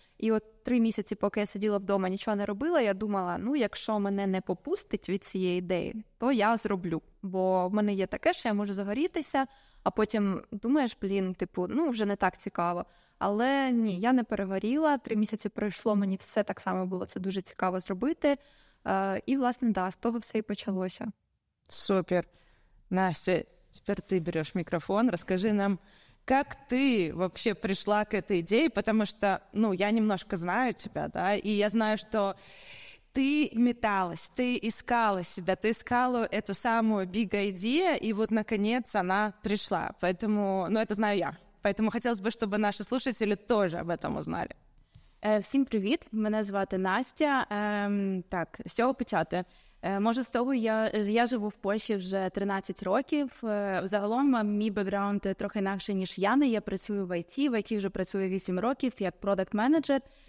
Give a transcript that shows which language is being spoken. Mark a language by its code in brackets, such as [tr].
[uk] І от 3 місяці, поки я сиділа вдома, нічого не робила, я думала, ну, якщо мене не попустить від цієї ідеї, то я зроблю. Бо в мене є таке, що я можу загорітися, а потім думаєш, блін, типу, ну, вже не так цікаво. Але ні, я не перегоріла, 3 місяці пройшло, мені все так само було, це дуже цікаво зробити. І, власне, да, з того все і почалося. Супер. [ru] Настя, [uk] тепер ти береш мікрофон, розкажи нам, [ru] как ты вообще пришла к этой идее, потому что, ну, я немножко знаю тебя, да, и я знаю, что ты металась, ты искала себя, ты искала эту самую [en] big idea, [ru] и вот, наконец, она пришла. Поэтому, ну, это знаю я. Поэтому хотелось бы, чтобы наши слушатели тоже об этом узнали. [uk] Всім привіт, мене звати Настя. Так, з цього почати. Може, з того, я живу в Польщі вже 13 років. Взагалом, мій бекграунд трохи інакший, ніж Яни. Я працюю в IT, в IT вже працюю 8 років як продакт-менеджер.